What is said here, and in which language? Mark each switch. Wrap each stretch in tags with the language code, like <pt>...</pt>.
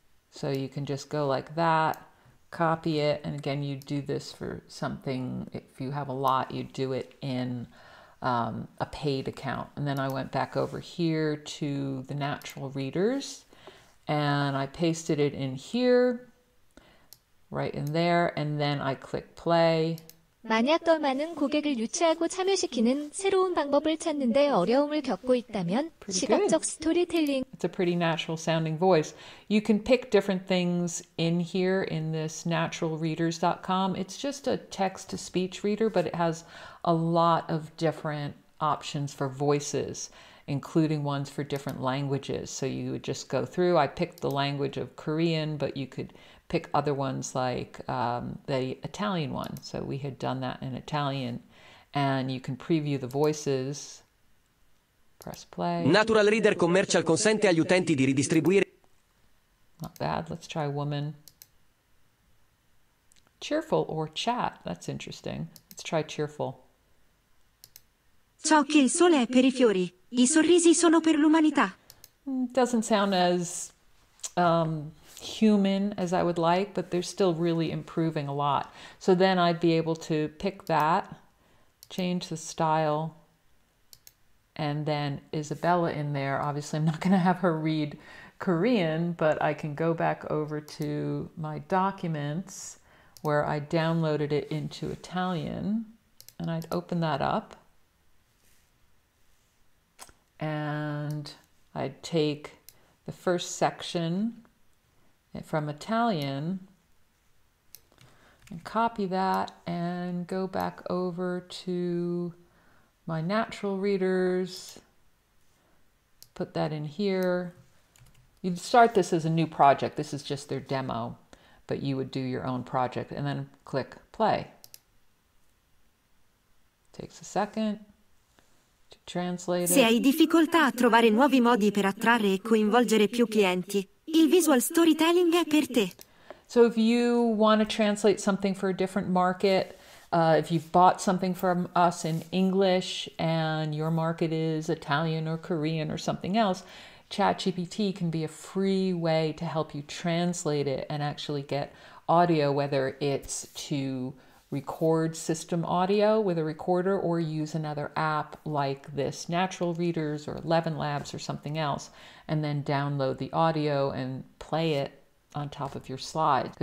<en>So you can just go like that, copy it. And again, you do this for something. If you have a lot, you do it in a paid account. And then I went back over here to the natural readers and I pasted it in here, right in there. And then I click play.</en> <ko>만약 더 많은 고객을 유치하고 참여시키는 새로운 방법을 찾는 데 어려움을 겪고 있다면 시각적 스토리텔링.</ko> <en>It's a pretty natural sounding voice. You can pick different things in here in this naturalreaders.com. It's just a text-to-speech reader, but it has a lot of different options for voices. including ones for different languages. So you would just go through. I picked the language of Korean, but you could pick other ones like the Italian one. So we had done that in Italian. And you can preview the voices. Press play.</en> <it>Natural Reader Commercial consente agli utenti di ridistribuire.</it> <en>Not bad. Let's try woman. Cheerful or chat. That's interesting. Let's try cheerful.</en> <it>So che il sole è per I fiori. I sorrisi sono per l'umanità.</it> <en>Doesn't sound as human as I would like, but they're still really improving a lot. So then I'd be able to pick that, change the style, and then Isabella in there. Obviously, I'm not going to have her read Korean, but I can go back over to my documents where I downloaded it into Italian, and I'd open that up. And I'd take the first section from Italian and copy that and go back over to my natural readers, put that in here. You'd start this as a new project. This is just their demo, but you would do your own project and then click play. Takes a second.</en> <it>Se hai difficoltà a trovare nuovi modi per attrarre e coinvolgere più clienti, il visual storytelling è per te.</it> <en>So if you want to translate something for a different market, if you've bought something from us in English and your market is Italian or Korean or something else, ChatGPT can be a free way to help you translate it and actually get audio, whether it's to record system audio with a recorder or use another app like this Natural Readers or 11 Labs or something else, and then download the audio and play it on top of your slides.</en>